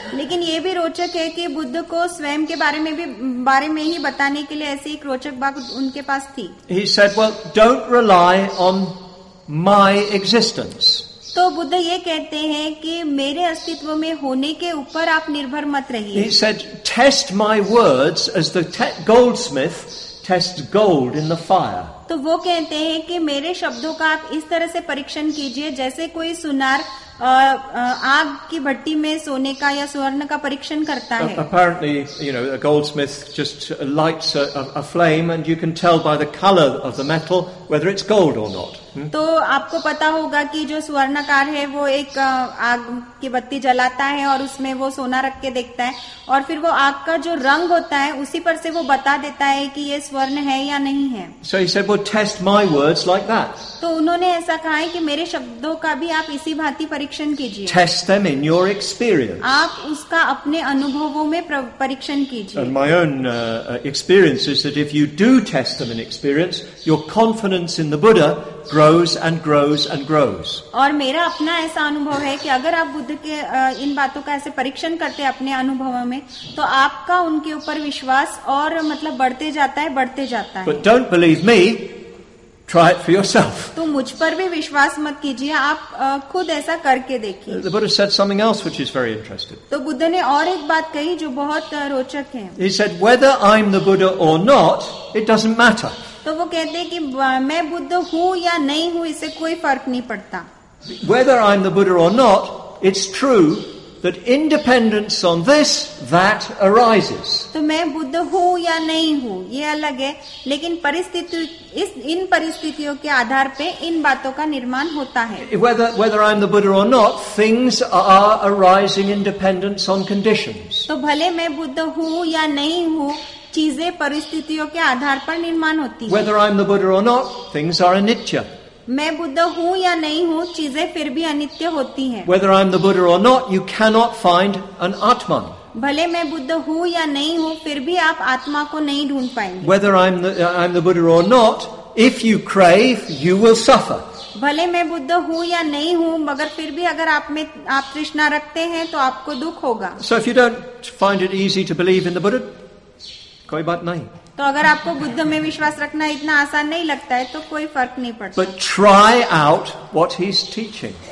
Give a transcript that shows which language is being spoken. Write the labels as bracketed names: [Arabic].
[Hindi] लेकिन ये भी रोचक है कि बुद्ध को स्वयं के बारे में ही बताने के लिए ऐसी एक रोचक बात उनके पास थी. [English] He said, well, don't rely on my existence. [Hindi] तो बुद्ध ये कहते हैं कि मेरे अस्तित्व में होने के ऊपर आप निर्भर मत रहिए. [English] He said, test my words as the goldsmith tests gold in the fire. [Hindi] तो वो कहते हैं कि मेरे शब्दों का आप इस तरह से परीक्षण कीजिए जैसे कोई सुनार आग की भट्टी में सोने का या स्वर्ण का परीक्षण करता है. [English] Apparently, you know, a goldsmith just lights a flame and you can tell by the color of the metal whether it's gold or not. [Hindi] तो आपको पता होगा कि जो स्वर्णकार है वो एक आग की बत्ती जलाता है और उसमें वो सोना रख के देखता है और फिर वो आग का जो रंग होता है उसी पर से वो बता देता है कि ये स्वर्ण है या नहीं है. [English] So he said, well, test my words like that. [Hindi] तो उन्होंने ऐसा कहा है कि मेरे शब्दों का भी आप इसी भांति परीक्षण कीजिए. [English] Test them in your experience. [Hindi] आप उसका अपने अनुभवों में परीक्षण कीजिए. [English] And my own experience is that if you do test them in experience, your confidence in the Buddha grows and grows and grows. [Hindi] और मेरा अपना ऐसा अनुभव है कि अगर आप बुद्ध के इन बातों का ऐसे परीक्षण करते हैं अपने अनुभवों में तो आपका उनके ऊपर विश्वास और मतलब बढ़ते जाता है. [English] But don't believe me. Try it for yourself. [Hindi] तो मुझ पर भी विश्वास मत कीजिए, आप खुद ऐसा करके देखिए. [English] The Buddha said something else which is very interesting. [Hindi] तो बुद्ध ने और एक बात कही जो बहुत रोचक है. [English] He said, whether I'm the Buddha or not, it doesn't matter. [Hindi] तो वो कहते हैं कि मैं बुद्ध हूँ या नहीं हूँ इससे कोई फर्क नहीं पड़ता. [English] Whether I'm the Buddha or not, it's true that independence on this that arises. [Hindi] तो मैं बुद्ध हूँ या नहीं हूँ ये अलग है, लेकिन इन परिस्थितियों के आधार पे इन बातों का निर्माण होता है. [English] Whether I'm the Buddha or not, things are arising independent on conditions. [Hindi] तो भले मैं बुद्ध हूँ या नहीं हूँ चीजें परिस्थितियों के आधार पर निर्माण होती है. [English] Whether I'm the Buddha or not, things are anicca. [Hindi] मैं बुद्ध हूँ या नहीं हूँ चीजें फिर भी अनित्य होती हैं. [English] Whether I'm the Buddha or not, you cannot find an Atman. [Hindi] भले मैं बुद्ध हूँ या नहीं हूँ फिर भी आप आत्मा को नहीं ढूंढ पाएंगे. [English] Whether I'm the Buddha or not, if you crave, you will suffer. [Hindi] भले मैं बुद्ध हूँ या नहीं हूँ मगर फिर भी अगर आप तृष्णा रखते हैं तो आपको दुख होगा. [English] So if you don't find it easy to believe in the Buddha, [Hindi] कोई बात नहीं. तो अगर आपको बुद्ध में विश्वास रखना इतना आसान नहीं लगता है तो कोई फर्क नहीं पड़ता. [English] But try out what he's teaching.